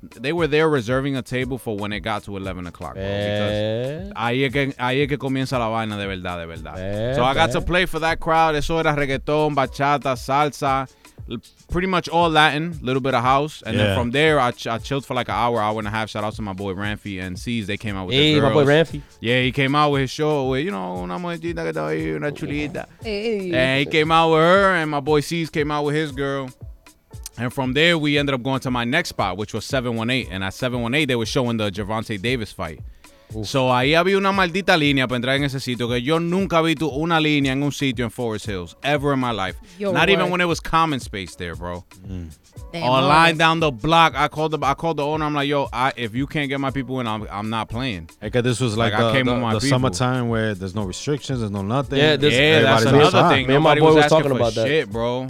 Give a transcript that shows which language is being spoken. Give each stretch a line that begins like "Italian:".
English: They were there reserving a table for when it got to 11 o'clock.
Spanish: Ahí es que comienza la vaina de verdad.
English: So I got to play for that crowd.
Spanish: Eso era reggaeton, bachata, salsa,
English: pretty much all Latin, a little bit of house. And then from there, I chilled for like an hour and a half. Shout out to my boy Ramfi and C's. They came out with their girls. Hey, my boy Ramfi. Yeah, he came out with his show with, you know,
Spanish: una mojita que estaba ahí, una chulita.
English: And he came out with her, and my boy C's came out with his girl. And from there, we ended up going to my next spot, which was 718. And at 718, they were showing the Gervonta Davis fight. Oof.
Spanish: So ahí había una maldita línea para entrar en ese sitio que yo nunca vi una línea en un sitio en Forest Hills
English: ever in my life. Yo, not what? Even when it was common space there, bro. Mm. A line down the block. I called the owner. I'm like, yo, if you can't get my people in, I'm not playing. Because this was like the summertime where there's no restrictions, there's no nothing. Yeah, that's another thing. Me and my boy was talking about that. Shit, bro.